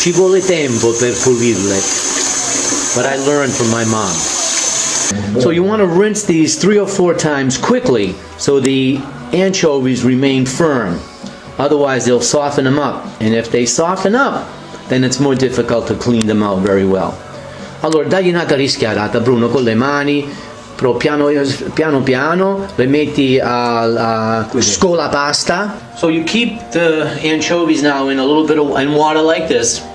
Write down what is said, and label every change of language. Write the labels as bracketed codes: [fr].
[it] Ci vuole tempo per pulirle. [en] But I learned from my mom. So you want to rinse these three or four times quickly so the anchovies remain firm. Otherwise, they'll soften them up. And if they soften up, then it's more difficult to clean them out very well. [it] Allora, dagli una rischiarata, Bruno, con le mani, però piano piano, piano le metti a scola pasta. [en] So you keep the anchovies now in a little bit of in water like this.